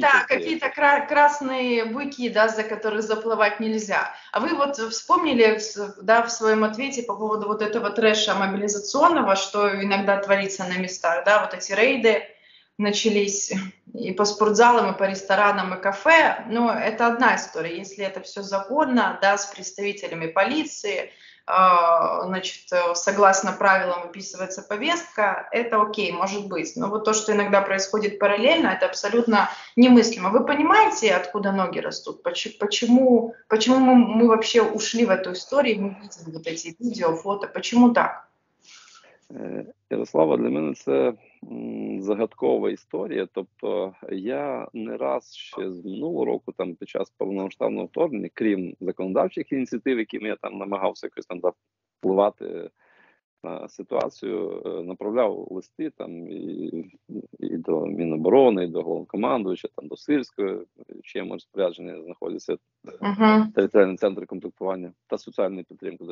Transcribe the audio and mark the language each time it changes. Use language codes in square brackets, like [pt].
[uk] Які-то красні бики, да, за які запливати не можна. А ви от [ru] вспомнили, да, [uk] в своєму відповіді [ru] по поводу вот этого треша мобілізаційного, [uk] що іноді твориться на містах, [ru] да, вот эти рейди начались и по спортзалам, и по ресторанам, и кафе. Но это одна история. Если это все законно, да, с представителями полиции, значит, согласно правилам описывается повестка, это окей, может быть. Но вот то, что иногда происходит параллельно, это абсолютно немыслимо. Вы понимаете, откуда ноги растут? Почему мы вообще ушли в эту историю, мы видим вот эти видео, фото? Почему так? [uk] Ярослава, для мене це загадкова історія. Тобто я не раз ще з минулого року, там під час повномасштабного вторгнення, крім законодавчих ініціатив, якими я там намагався якось там впливати на ситуацію, направляв листи там і до Міноборони, і до головнокомандувача, там до Сирського, чиє моє розпорядження знаходиться територіальний центр комплектування та соціальної підтримки.